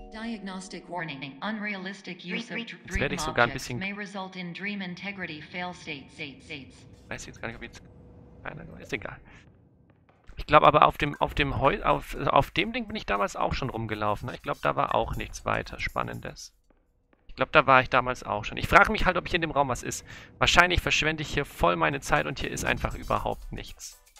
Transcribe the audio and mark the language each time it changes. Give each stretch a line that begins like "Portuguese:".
English: Diagnostic warning. Unrealistic use of dream.
German: Jetzt werde ich sogar ein bisschen.
English: May result in dream integrity fail state.
German: Weiß jetzt gar nicht, ob jetzt. Keine Ahnung, ist egal. Ich glaube aber auf dem Ding bin ich damals auch schon rumgelaufen. Ich glaube, da war auch nichts weiter Spannendes. Ich glaube, da war ich damals auch schon. Ich frage mich halt, ob hier in dem Raum was ist. Wahrscheinlich verschwende ich hier voll meine Zeit und hier ist einfach überhaupt nichts.